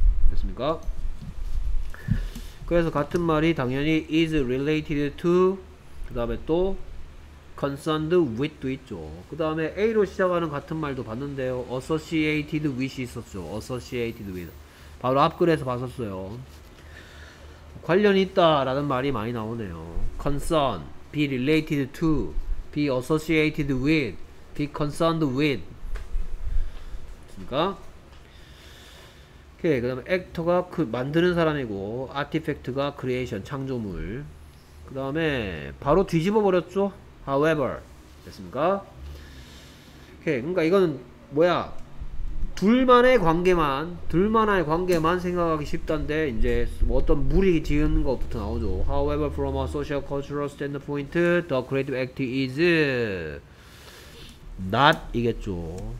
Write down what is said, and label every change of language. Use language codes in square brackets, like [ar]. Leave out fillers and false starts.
[ko] 됐습니까? 그래서 같은 말이 당연히 [en] is related to [ko] 그 다음에 또 [en] concerned with [ko] 도 있죠. 그 다음에 A로 시작하는 같은 말도 봤는데요. [en] associated with [ko] 이 있었죠. associated with 바로 앞글에서 봤었어요. 관련이 있다 라는 말이 많이 나오네요. [en] concern, be related to, be associated with, be concerned with. [ko] 됐습니까? 오케이. 그 다음에 actor가 만드는 사람이고 artifact가 creation, 창조물. 그 다음에 바로 뒤집어 버렸죠. however. 됐습니까? 오케이. 그러니까 이건 뭐야 둘만의 관계만 생각하기 쉽단데 이제 뭐 어떤 무리 지은 것부터 나오죠. [en] However, from a social cultural standpoint, the creative act is not [ko] 이겠죠.